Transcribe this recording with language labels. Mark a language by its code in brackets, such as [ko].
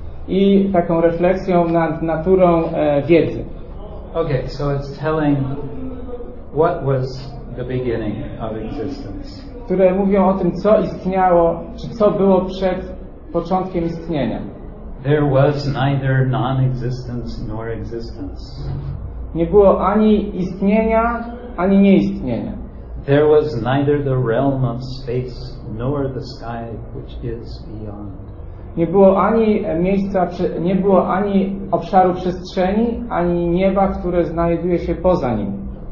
[pl] I taką refleksją nad naturą wiedzy. [en] Okay, so it's telling what was the beginning of existence. [pl] Które mówią o tym, co istniało, czy co było przed początkiem istnienia. [en] There was neither non-existence nor existence. [pl] Nie było ani istnienia, ani nieistnienia. [en] There was neither the realm of space nor the sky which is beyond. [pl] Nie było ani miejsca, nie było ani obszaru przestrzeni, ani nieba, które znajduje się poza nim.